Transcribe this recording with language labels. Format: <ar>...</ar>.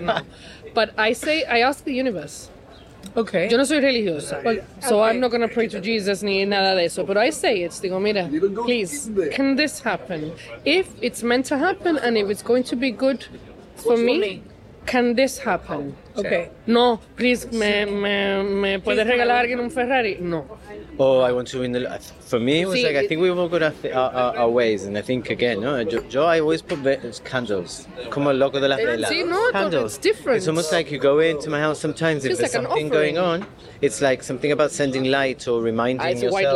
<en>No. But I ask the universe. Okay.</en> <es>Yo no soy religiosa,</es> <en>so I'm not going to pray to Jesus</en> <es>ni nada de eso.</es> <en>But I say it,</en> <es>digo, mira,</es> <en>please, can this happen? If it's meant to happen and if it's going to be good for me, can this happen? Okay. No, please,</en> <es>me puedes regalar alguien un Ferrari?</es> <en>No. Oh, I want to win the... For me, it was see, like, I think we've all got our ways. And I think, again, no, I always put candles.</en> <es>Como loco de la vela.</es> <en>See, no, candles. It's different. It's almost like you go into my house sometimes, if there's like something going on, it's like something about sending light or reminding yourself</en>